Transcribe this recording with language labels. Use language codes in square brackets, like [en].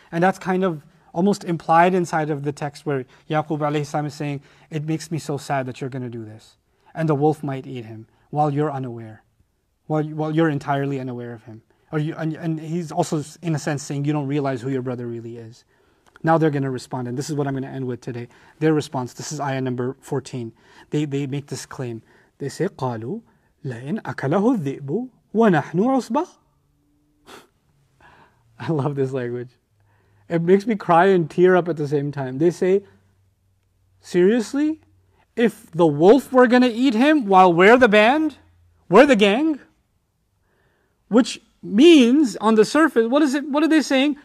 [en] And that's kind of almost implied inside of the text where Yaqub alayhi salam is saying, it makes me so sad that you're going to do this. And the wolf might eat him while you're unaware. While you're entirely unaware of him. And he's also in a sense saying, you don't realize who your brother really is. Now they're going to respond. And this is what I'm going to end with today. Their response, this is ayah number 14. They make this claim. They say, [ar] قَالُوا لَئِنْ أَكَلَهُ الذِّئْبُ وَنَحْنُ عُصْبَةٌ. [en] I love this language. It makes me cry and tear up at the same time. They say, seriously? If the wolf were going to eat him while we're the band? We're the gang? Which means, on the surface, what is it? What are they saying?